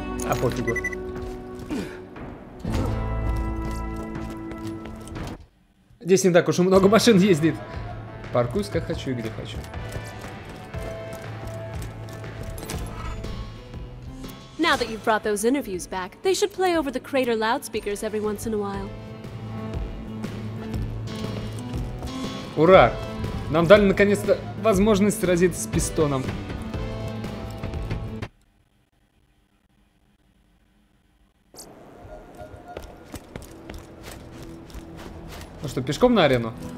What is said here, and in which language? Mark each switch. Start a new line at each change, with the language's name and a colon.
Russian: А пофигу. Здесь не так уж и много машин ездит. Паркуюсь как хочу и где хочу.
English: Now that you've brought those interviews back, they should play over the crater loudspeakers every once in a while.
Russian: Ура! Нам дали наконец-то возможность сразиться с пистоном. Ну что, пешком на арену?